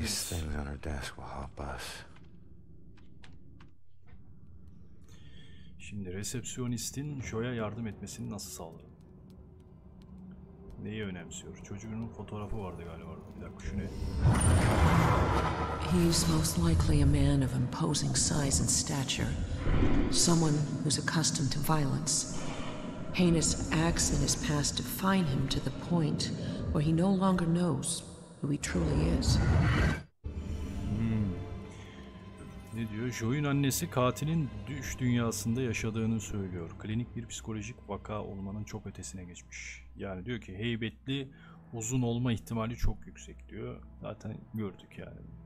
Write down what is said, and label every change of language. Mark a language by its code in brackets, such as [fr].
[en] These things on her desk will help us. [tr] Şimdi resepsiyonistin Joy'a yardım etmesini nasıl sağlarım? Neyi önemsiyor? Çocuğunun fotoğrafı vardı galiba. Bir dakika şunu. [en] He's most likely a man of imposing size and stature. Someone who's accustomed to violence. Heinous acts in his past define him to the point where he no longer knows who he truly is. [tr] Ne diyor? Joy'un annesi katilin düş dünyasında yaşadığını söylüyor. Klinik bir psikolojik vaka olmanın çok ötesine geçmiş. Yani diyor ki heybetli, uzun olma ihtimali çok yüksek diyor. Zaten gördük yani.